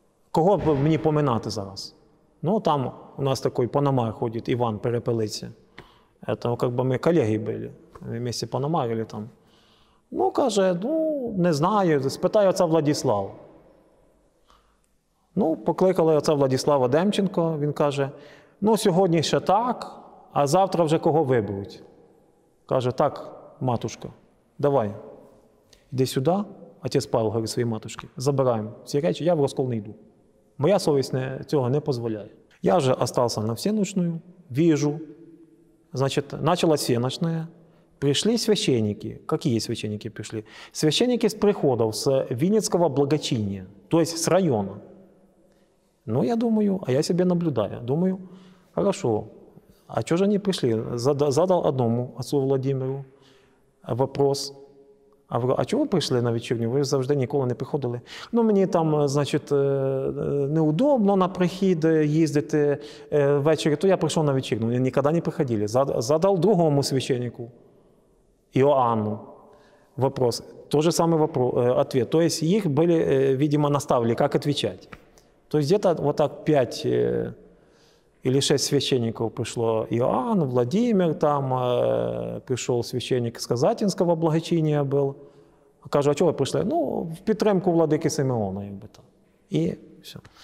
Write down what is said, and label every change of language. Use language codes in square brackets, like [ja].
[uk] Кого мені поминати зараз? Ну, там у нас такий пономар ходить, Іван Перепелиця. [ru] Это как бы мы коллеги были, вместе пономарили там. [uk] Ну, каже, ну, не знаю, спитаю отца Владислава. Ну, покликали отца Владислава Демченко, він каже, ну, сьогодні ще так, а завтра вже кого виберуть. Каже, так, матушка, давай, йди сюди, отець Павел говорить своїй матушці, забираємо всі речі, я в розкол не йду. Моя совість не, цього не дозволяє. Я вже остався [ru] на всеночную, віжу. Значит, началась сеночная, Пришли священники. Какие священники пришли? Священники с приходов, с Винницкого благочиния, то есть с района. Ну, я думаю, а я себе наблюдаю, думаю, хорошо, а что же они пришли? Задал одному отцу Владимиру вопрос. [uk] А чого ви прийшли на вечірню? Ви завжди ніколи не приходили. Ну, мені там, значить, неудобно на прихід їздити ввечері, то я прийшов на вечірню. Ніколи не приходили. Задав другому священнику, Іоанну, вопрос. Той же самий ответ. То есть їх були, видимо, наставили, як відповідати. [ru] То есть где-то вот так 5 или 6 священников пришло. Иоанн, Владимир там, пришел священник из Казатинского благочиния был. Кажу, а чего пришли? Ну, [uk] в підтримку [ru] владыки Симеона, как бы там. И все.